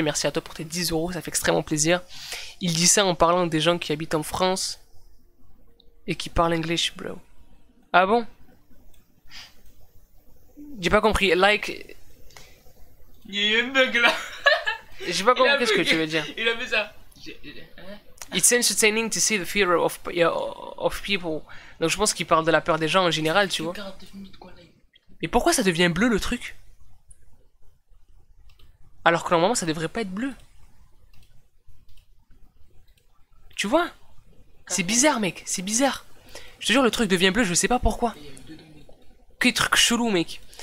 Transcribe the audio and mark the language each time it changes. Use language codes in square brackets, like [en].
[fr] Merci à toi pour tes 10 €, ça fait extrêmement plaisir. Il dit ça en parlant des gens qui habitent en France et qui parlent anglais, bro. Ah bon? J'ai pas compris, like... Il y a eu un bug là. J'ai pas compris ce que tu veux dire. Il a fait ça. [en] It's entertaining to see the fear of people. [fr] Donc je pense qu'il parle de la peur des gens en général, tu vois. Mais pourquoi ça devient bleu le truc? Alors que normalement ça devrait pas être bleu. Tu vois? C'est bizarre, mec, c'est bizarre. Je te jure, le truc devient bleu, je sais pas pourquoi. Quel truc chelou, mec.